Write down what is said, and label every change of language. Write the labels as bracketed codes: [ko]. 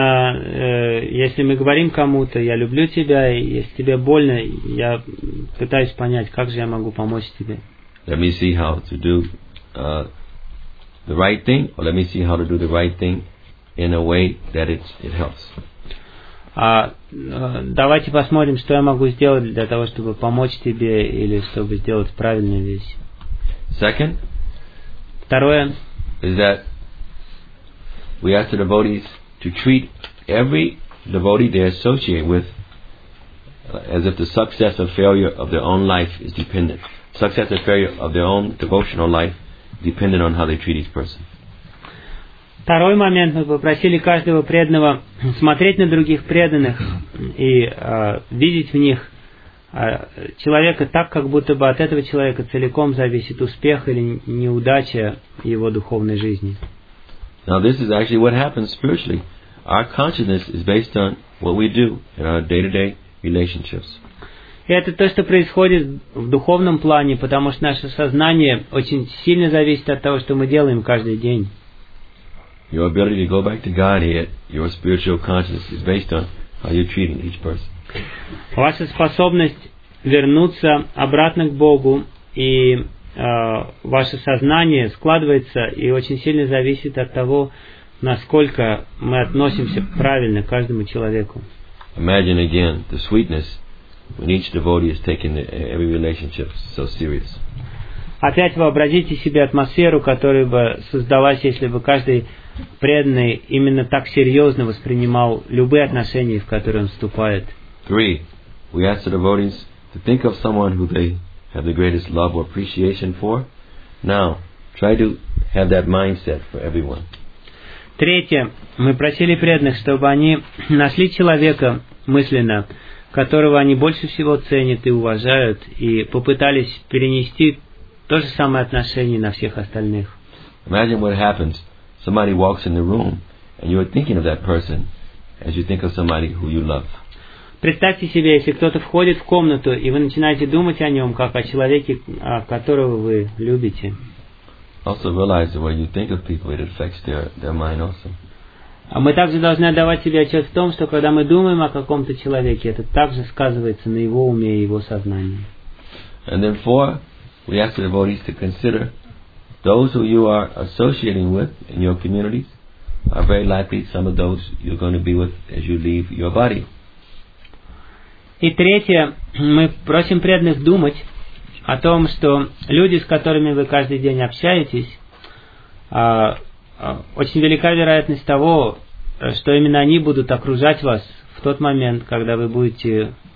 [ru] Если мы говорим кому-то, я люблю тебя, и если тебе больно, я пытаюсь понять, как же я могу помочь тебе. [en] Let me see how to do the right thing, or let me see how to do the right thing in a way that it helps. [ru] Давайте посмотрим, что я могу сделать для того, чтобы помочь тебе, или чтобы сделать правильную вещь. [en] Second. [ru] Второе. [en] Is that we ask the devotees to treat every devotee they associate with as if the success or failure of their own life is dependent. Success or failure of their own devotional life dependent on how they treat each person. [ru] Второй момент. Мы попросили каждого преданного смотреть на других преданных и видеть в них человека так, как будто бы от этого человека целиком зависит успех или неудача его духовной жизни. [en] Now this is actually what happens spiritually. Our consciousness is based on what we do in our day-to-day relationships. [ru] Это то, что происходит в духовном плане, потому что наше сознание очень сильно зависит от того, что мы делаем каждый день. [en] Your ability to go back to Godhead, your spiritual consciousness is based on how you're treating each person. [ru] Ваша способность вернуться обратно к Богу и ваше сознание складывается и очень сильно зависит от того, насколько мы относимся правильно к каждому человеку. [en] Imagine again the sweetness when each devotee is taking every relationship so serious. [ru] Опять вообразите себе атмосферу, которая бы создалась, если бы каждый преданный именно так серьезно воспринимал любые отношения, в которые он вступает. [en] Three. We ask the devotees to think of someone who they have the greatest love or appreciation for. Now, try to have that mindset for everyone. [ru] Третье. Мы просили преданных, чтобы они нашли человека, мысленно, которого они больше всего ценят и уважают, и попытались перенести то же самое отношение на всех остальных. [en] Imagine what happens. Somebody walks in the room, and you are thinking of that person as you think of somebody who you love. [ru] Представьте себе, если кто-то входит в комнату, и вы начинаете думать о нем, как о человеке, которого вы любите. [en] Also realize that when you think of people, it affects their mind also. [ru] А мы также должны отдавать себе отчет в том, что когда мы думаем о каком-то человеке, это также сказывается на его уме и его сознании. [en] And then four, we ask the devotees to consider those who you are associating with in your communities are very likely some of those you're going to be with as you leave your body. [ru] И третье, мы просим преданных думать о том, что люди, с которыми вы каждый день общаетесь, очень велика вероятность того, что именно они будут окружать вас в тот момент, когда вы будете